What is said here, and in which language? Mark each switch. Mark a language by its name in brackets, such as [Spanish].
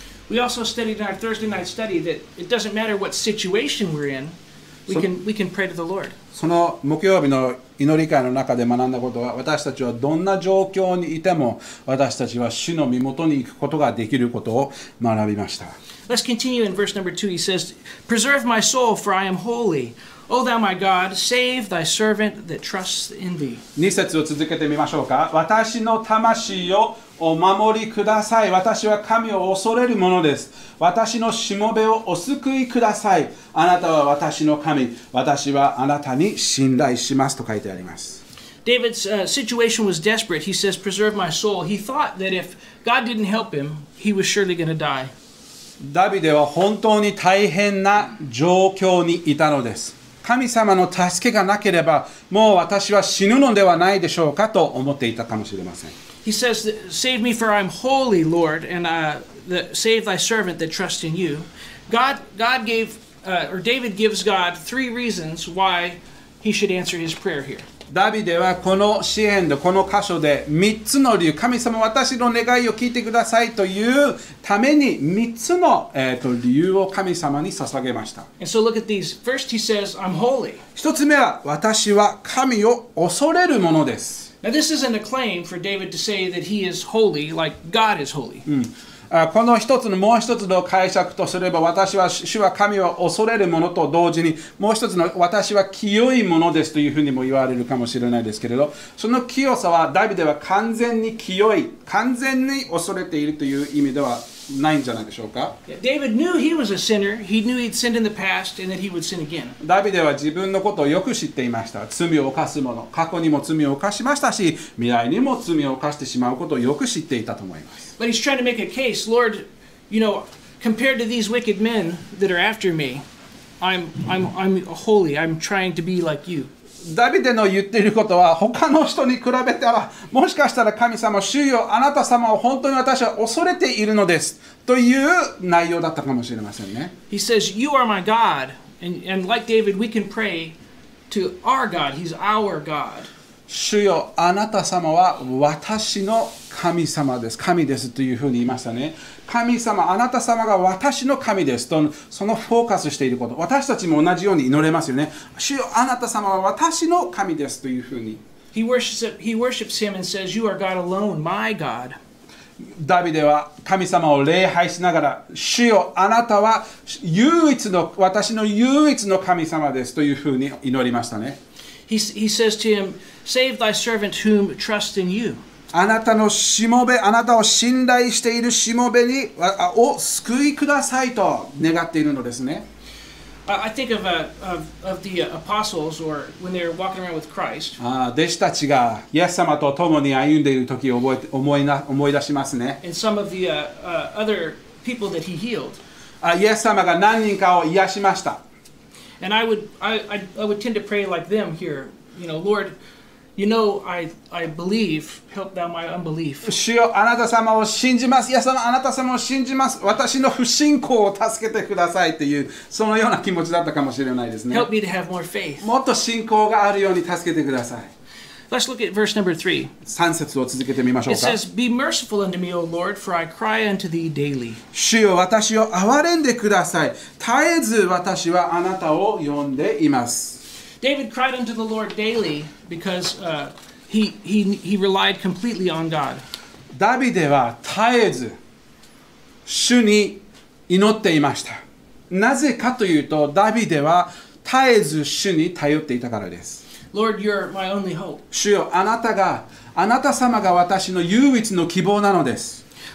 [English] We also studied in our Thursday night study that it doesn't matter what situation we're in, we can pray to the Lord. [Japanese] その木曜日の祈り会の中で学んだことは、私たちはどんな状況にいても、私たちは主の御元に行くことができることを学びました。 [English] Let's continue in verse number 2. He says, Preserve my soul, for I am holy. O thou my God, save thy servant that trusts in thee. [Japanese] 2節を続けてみましょうか。私の魂をお守りください。私は神を恐れるものです。私のしもべをお救いください。あなたは私の神。私はあなたに信頼します。と書いてあります。 [English] David's situation was desperate. He says, Preserve my soul. He thought that if God didn't help him, he was surely going to die. [Japanese] ダビデは本当に大変な状況にいたのです。神様の助けがなければ、もう私は死ぬのではないでしょうかと思っていたかもしれません。 [English] He says, Save me for I'm holy, Lord, and save thy servant that trusts in you. David gives God three reasons why he should answer his prayer here. [Japanese] ダビデはこの詩篇でこの箇所で3つの理由、神様私の願いを聞いてくださいというために3つの理由を神様に捧げました。 [English] And so look at these. First, he says, I'm holy. [Japanese] 1つ目は私は神を恐れるものです。 [English] Now, this isn't a claim for David to say that he is holy like God is holy. [Japanese] この一つのもう一つの解釈とすれば、私は主は神は恐れるものと同時に、もう一つの私は清いものですというふうにも言われるかもしれないですけれど、その清さはダビデは完全に清い、完全に恐れているという意味ではないんじゃないでしょうか。 [English] David knew he was a sinner. He knew he'd sinned in the past and that he would sin again. [Japanese] ダビデは自分のことをよく知っていました。罪を犯すもの、過去にも罪を犯しましたし、未来にも罪を犯してしまうことをよく知っていたと思います。 [English] But he's trying to make a case, Lord, you know, compared to these wicked men that are after me, I'm holy. I'm trying to be like you. [Japanese] ダビデの言っていることは他の人に比べたらもしかしたら神様主よあなた様を本当に私は恐れているのですという内容だったかもしれませんね。 [English] He says, You are my God. And like David, we can pray to our God. He's our God. [Japanese] 主よあなた様は私の神様です。神ですというふうに言いましたね。神様あなた様が私の神ですとそのフォーカスしていること、私たちも同じように祈れますよね。主よあなた様は私の神ですというふうに [English] He worships him and says you are God alone my God。 [Japanese] ダビデは神様を礼拝しながら主よあなたは唯一の私の唯一の神様ですというふうに祈りましたね。 [English] He says to him save thy servant whom trust in you [Japanese] あなたのしもべ、あなたを信頼しているしもべにを救いくださいと願っているのですね。 [English] I think of the apostles or when they're walking around with Christ. [Japanese] 弟子たちがイエス様と共に歩んでいる時を思い出しますね。 [English] And some of the other people that he healed. [Japanese] イエス様が何人かを癒しました。 [English] And I would tend to pray like them here, you know, Lord. You know, I believe. Help thou my unbelief. [Japanese] 主よ、あなた様を信じます。イエス様、あなた様を信じます。私の不信仰を助けてくださいっていう、そのような気持ちだったかもしれないですね。 [English] Help me to have more faith. [Japanese] もっと信仰があるように助けてください。 [English] Let's look at verse number 3. [Japanese] 3節を続けてみましょうか。 [English] It says, Be merciful unto me, O Lord, for I cry unto thee daily. [Japanese] 主よ、私を憐れんでください。絶えず私はあなたを呼んでいます。 [English] David cried unto the Lord daily because he relied completely on God. [Japanese] ダビデは絶えず主に祈っていました。なぜかというと、ダビデは絶えず主に頼っていたからです。 [English] Lord, you're my only hope. [Japanese] 主よ、あなた様が私の唯一の希望なのです。